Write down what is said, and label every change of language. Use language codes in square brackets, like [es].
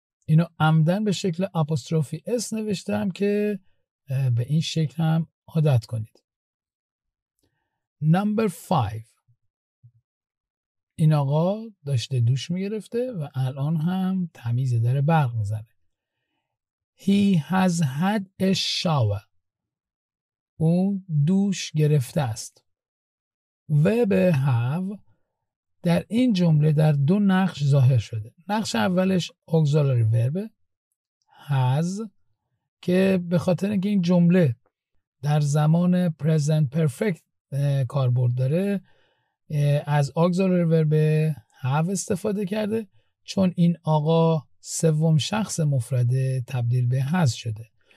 [fa] اینو عمدن به شکل apostrophe s نوشتم که به این شکل هم عادت کنید. [en] Number 5، [fa] این آقا داشته دوش میگرفته و الان هم تمیز داره برق میزنه. [en] He has had a shower. [fa] او دوش گرفته است. Verb have در این جمله در دو نقش ظاهر شده. نقش اولش auxiliary verb has که به خاطر اینکه این جمله در زمان present perfect کاربرد داره از auxiliary verb have استفاده کرده، چون این آقا سوم شخص مفرده تبدیل به has شده.